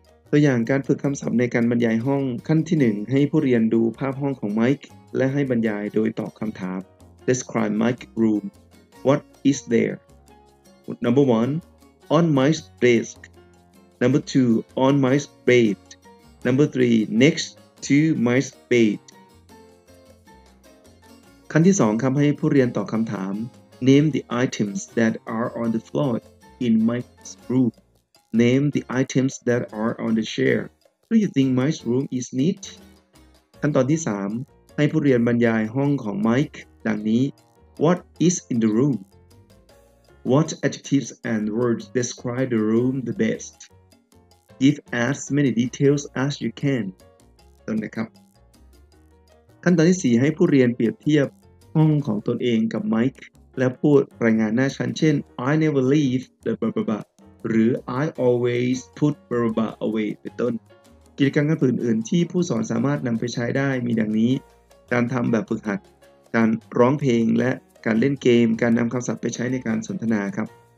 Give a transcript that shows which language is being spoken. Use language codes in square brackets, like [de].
[th] ตัวอย่างการฝึกคำศัพท์ในการบรรยายห้องขั้นที่1ให้ผู้เรียนดูภาพห้องของไมค์และให้บรรยายโดยตอบคำถาม [en] describe Mike's room what is there number 1 on Mike's desk number 2 on Mike's bed number 3 next to Mike's bed [th] ขั้นที่2ครับให้ผู้เรียนตอบคำถาม [en] Name the items that are on the floor in Mike's room. Name the items that are on the chair. Do you think Mike's room is neat? [th] ขั้นตอนที่3ให้ผู้เรียนบรรยายห้องของ Mike ดังนี้ [en] What is in the room? What adjectives and words describe the room the best? Give as many details as you can. [th] ตรงนี้ครับขั้นตอนที่4ให้ผู้เรียนเปรียบเทียบห้องของตนเองกับไมค์และพูดรายงานหน้าชั้นเช่น [en] I never leave the blah blah blah [th] หรือ [en] I always put blah blah blah away [th] เป็นต้นกิจกรรมการฝึกอื่นที่ผู้สอนสามารถนำไปใช้ได้มีดังนี้การทำแบบฝึกหัดการร้องเพลงและการเล่นเกมการนำคำศัพท์ไปใช้ในการสนทนาครับ